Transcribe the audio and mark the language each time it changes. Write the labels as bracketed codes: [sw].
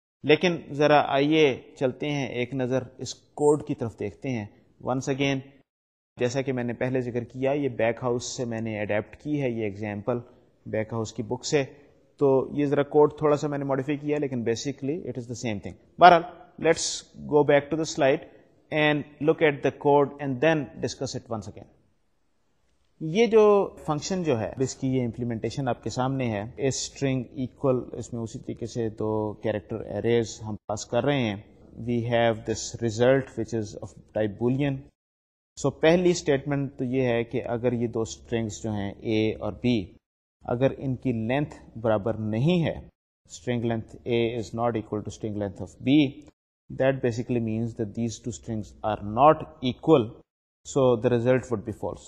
[ur] لیکن ذرا آئیے چلتے ہیں ایک نظر اس کوڈ کی طرف دیکھتے ہیں. ونس اگین جیسا کہ میں نے پہلے ذکر کیا, یہ بیک ہاؤس سے میں نے اڈیپٹ کی ہے, یہ ایگزامپل بیک ہاؤس کی بک سے, تو یہ ذرا کوڈ تھوڑا سا میں نے ماڈیفائی کیا لیکن [en] Basically it is the same thing. [ur] بہرحال [en] Let's go back to the slide and look at the code and then discuss it once again. [ur] یہ جو فنکشن جو ہے اس کی یہ امپلیمنٹیشن آپ کے سامنے ہے, اس اسٹرنگ ایکول, اس میں اسی طریقے سے دو کیریکٹر اریز ہم پاس کر رہے ہیں. [en] We have this result which is of type boolean. [ur] سو پہلی اسٹیٹمنٹ تو یہ ہے کہ اگر یہ دو اسٹرنگس جو ہیں اے اور بی, اگر ان کی لینتھ برابر نہیں ہے, [en] String length a is not equal to string length of b, that basically means that these two strings are not equal, so the result would be false.